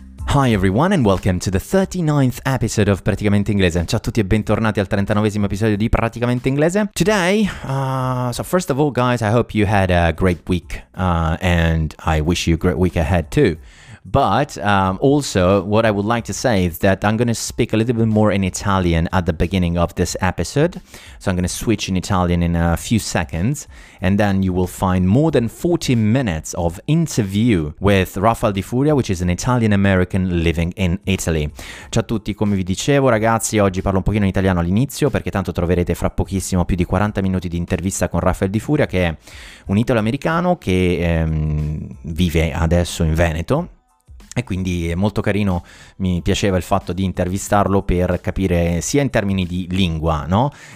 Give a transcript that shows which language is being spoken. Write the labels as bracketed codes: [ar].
[en] Hi everyone and welcome to the 39th episode of Praticamente Inglese. [it] Ciao a tutti e bentornati al 39esimo episodio di Praticamente Inglese. [en] Today, so first of all guys, I hope you had a great week and I wish you a great week ahead too. But also what I would like to say is that I'm going to speak a little bit more in Italian at the beginning of this episode. So I'm going to switch in Italian in a few seconds and then you will find more than 40 minutes of interview with Rafael Di Furia, which is an Italian-American living in Italy. [it] Ciao a tutti, come vi dicevo ragazzi, oggi parlo un pochino in italiano all'inizio perché tanto troverete fra pochissimo più di 40 minuti di intervista con Rafael Di Furia, che è un italo-americano che vive adesso in Veneto. E quindi è molto carino, mi piaceva il fatto di intervistarlo per capire sia in termini di lingua, no?